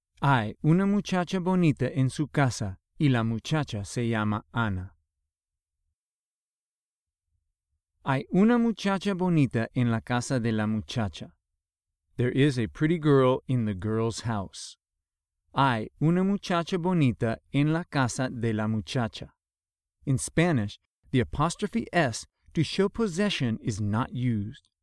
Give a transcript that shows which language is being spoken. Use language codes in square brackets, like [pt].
[es] Hay una muchacha bonita en su casa y la muchacha se llama Ana. Hay una muchacha bonita en la casa de la muchacha. [en] There is a pretty girl in the girl's house. [es] Hay una muchacha bonita en la casa de la muchacha. [en] In Spanish, the apostrophe S to show possession is not used.